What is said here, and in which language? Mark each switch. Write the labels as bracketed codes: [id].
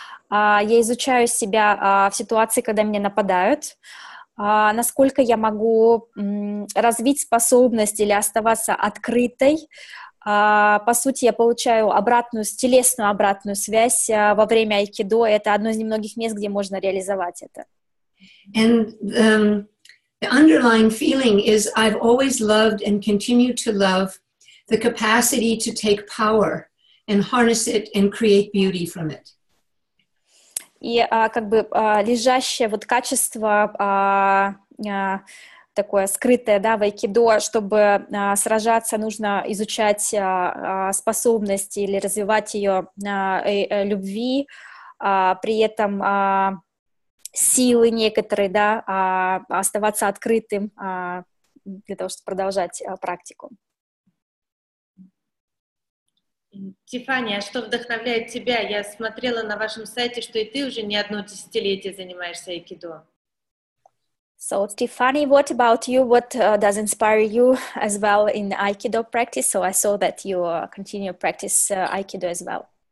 [ru] Я изучаю себя в ситуации, когда меня нападают. Насколько я могу развить способность или оставаться открытой. По сути, я получаю обратную, телесную обратную связь во время айкидо. Это одно из немногих мест, где можно реализовать это. [en] The underlying feeling is I've always loved and continue to love the capacity to take power and harness it and create beauty from it. [ru] И как бы лежащее вот качество такое скрытое, да, в айкидо, чтобы сражаться, нужно изучать способности или развивать ее любви, при этом силы некоторые, да, оставаться открытым для того, чтобы продолжать практику. Тифани, а что вдохновляет тебя? Я смотрела на вашем сайте, что и ты уже не одно десятилетие занимаешься айкидо. [en] So, Tiffany, what about you? What does inspire you as well in aikido practice? So, I saw that you continue practice aikido as well.